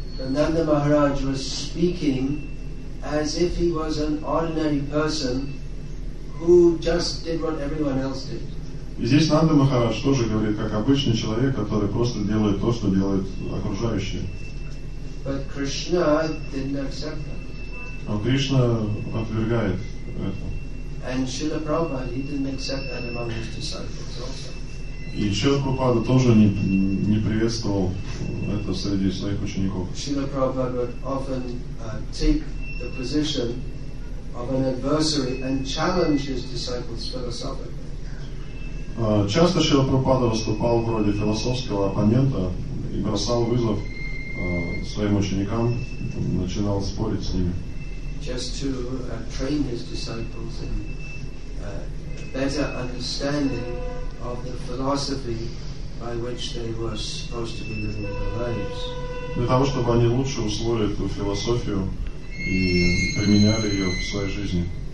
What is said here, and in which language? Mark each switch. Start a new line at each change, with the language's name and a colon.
English: Ananda Maharaj was speaking as if he was an ordinary person who just did what everyone else did.
Russian: И здесь Нанда Махарадж тоже говорит как обычный человек, который просто делает то, что делают окружающие.
English: But Krishna didn't accept that.
Russian: Но Кришна отвергает это.
English: And Srila Prabhupada, he didn't accept that among his disciples also.
Russian: И Шрила Прабхупада тоже не приветствовал это среди своих учеников.
English: Шрила Прабхупада would often take the position of an adversary and challenge his disciples philosophically.
Russian: Часто Шрила Прабхупада выступал в роли философского оппонента и бросал вызов своим ученикам, начинал спорить с ними.
English: Just to train his disciples in better understanding of the philosophy by which they were supposed to be living their lives.
Russian: Для того, чтобы они лучше усвоили эту философию и применяли ее в своей жизни.